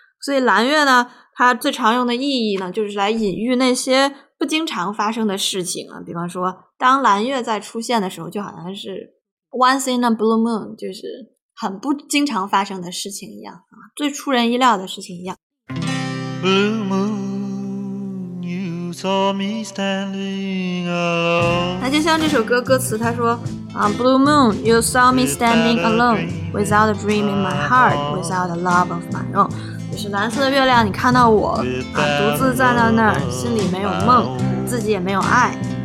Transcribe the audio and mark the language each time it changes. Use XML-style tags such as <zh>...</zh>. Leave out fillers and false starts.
<zh>所以蓝月呢，它最常用的意义呢，就是来隐喻那些不经常发生的事情啊。比方说，当蓝月在出现的时候，就好像是</zh> <en>once in a blue moon，</en> <zh>就是。很不经常发生的事情一样啊，最出人意料的事情一样。</zh> <en>Blue moon, you saw me standing alone.</en> <zh>那就像这首歌歌词，他说啊 ，</zh> <en>Blue moon, you saw me standing alone, without a dream in my heart, without a love of my own.</en> <zh>就是蓝色的月亮，你看到我啊，独自站在那儿，心里没有梦，自己也没有爱。</zh>